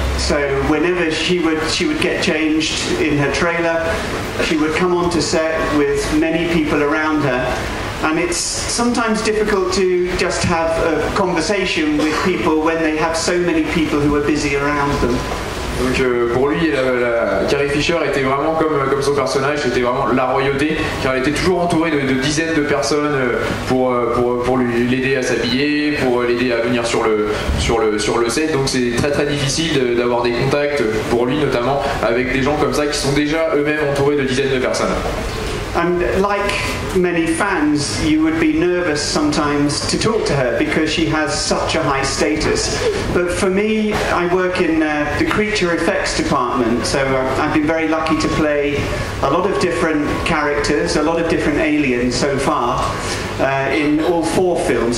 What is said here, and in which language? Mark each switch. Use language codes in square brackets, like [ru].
[en] So whenever she would get changed in her trailer, she would come onto set with many people around her. And it's sometimes difficult to just have a conversation with people when they have so many people who are busy around them. [fr] Donc pour lui, Carrie Fisher était vraiment comme son personnage, c'était vraiment la royauté, car elle était toujours entourée de dizaines de personnes pour l'aider à s'habiller, pour l'aider à venir sur le set. Donc c'est très très difficile d'avoir des contacts pour lui, notamment avec des gens comme ça qui sont déjà eux-mêmes entourés de dizaines de personnes. [en] And like many fans, you would be nervous sometimes to talk to her because she has such a high status. But for me, I work in the creature effects department, so I've been very lucky to play a lot of different characters, a lot of different aliens so far, in all four films.